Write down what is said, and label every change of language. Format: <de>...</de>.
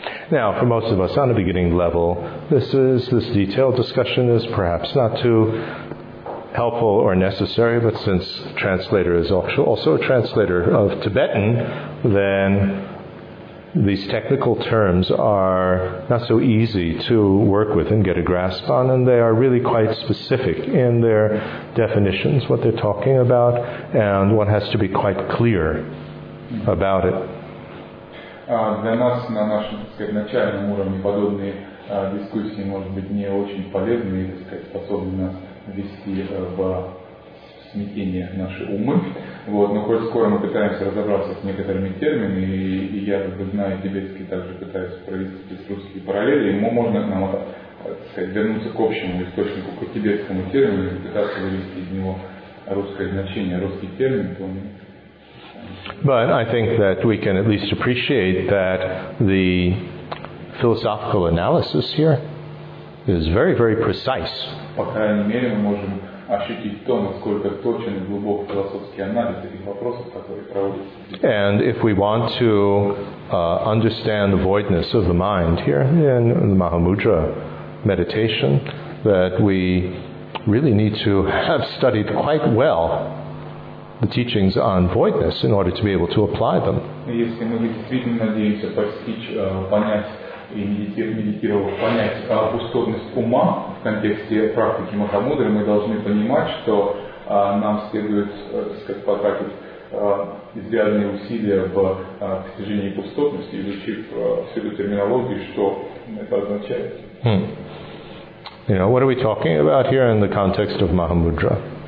<en>Now, for most of us on a beginning level, this detailed discussion is perhaps not too helpful or necessary, but since the translator is also a translator of Tibetan, then these technical terms are not so easy to work with and get a grasp on, and they are really quite specific in their definitions, what they're talking about, and one has to be quite clear about it.</en> <ru>Для нас на нашем, так сказать, начальном уровне подобные дискуссии, может быть, не очень полезны и, так сказать, способны нас ввести в смятение наши умы. Вот. Но хоть скоро мы пытаемся разобраться с некоторыми терминами, и я, как бы, знаю тибетский, также пытаюсь провести здесь русские параллели, и можно нам, так сказать, вернуться к общему источнику, к тибетскому термину, и пытаться вывести из него русское значение, русский термин.</ru> <en>But I think that we can at least appreciate that the philosophical analysis here is very, very precise.</en> <ru>По крайней мере, мы можем ощутить то, насколько точен и глубок философский анализ этих вопросов, которые проводятся.</ru> <en>And if we want to understand the voidness of the mind here in the Mahamudra meditation, that we really need to have studied quite well the teachings on voidness in order to be able to apply them.</en> <ru>Если мы действительно надеемся постичь, понять и медитировав понять пустотность ума в контексте практики Махамудры, мы должны понимать, что нам следует, сказать, потратить изрядные усилия в постижении пустотности, изучив всю эту терминологию, что это означает.</ru> <en>You know, what are we talking about here in the context of Mahamudra?</en>